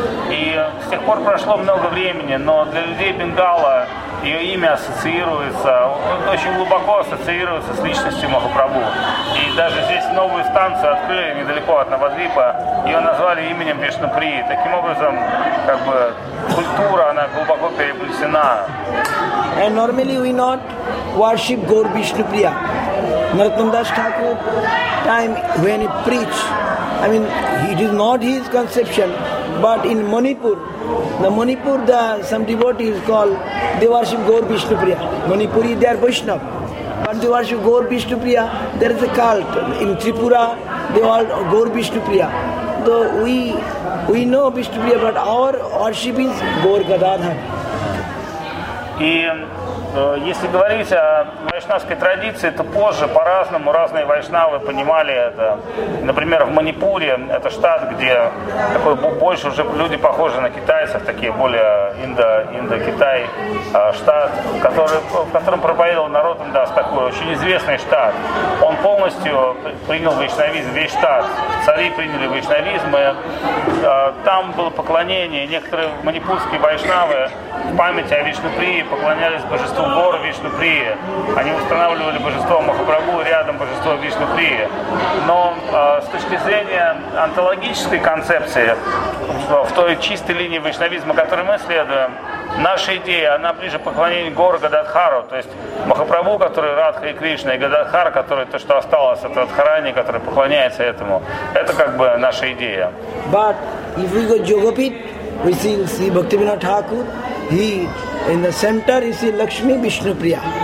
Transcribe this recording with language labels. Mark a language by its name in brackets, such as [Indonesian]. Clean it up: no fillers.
[Russian] И с тех пор прошло много времени, но для людей Бенгала ее имя ассоциируется, очень глубоко ассоциируется с личностью Махапрабху. И даже здесь новую станцию открыли недалеко от Навадвипа, ее назвали именем Вишнупри. Таким образом, как бы, культура, она глубоко переплетена. [English] And normally we not worship Gaur Vishnupriya. Narottamdas Thakur time when he preach, I mean, it is not his conception, but in Manipur, the some devotees call, they worship Gaur Vishnupriya. Manipuri, they are Vaishnav. But they worship Gaur Vishnupriya, there is a cult. In Tripura, they call Gaur Vishnupriya. So we know Vishnupriya, but our worship is Gaur Gadadhar. [Russian] Если говорить о вайшнавской традиции, то позже по-разному разные вайшнавы понимали это. Например, в Манипуре, это штат, где такой, больше уже люди похожи на китайцев, такие более индо-китай штат, в котором проповедовал Народамдас, такой очень известный штат. Он полностью принял вайшнавизм, весь штат. Цари приняли вайшнавизм, и там было поклонение. Некоторые манипурские вайшнавы в памяти о Вишнуприи поклонялись божеству Гору Вишнуприи. Они устанавливали божество Махапрабху рядом божество Вишнуприи. Но с точки зрения онтологической концепции, в той чистой линии вайшнавизма, которой мы следуем, наша идея, она ближе к поклонению Гору Гададхару, то есть Махапрабху, который Радха и Кришна, и Гададхар, который то, что осталось от Радхарани, который поклоняется этому. Это как бы наша идея. [English] But if we go Yogapit, we see Bhaktivinoda Thakur, he in the center is Lakshmi Vishnupriya.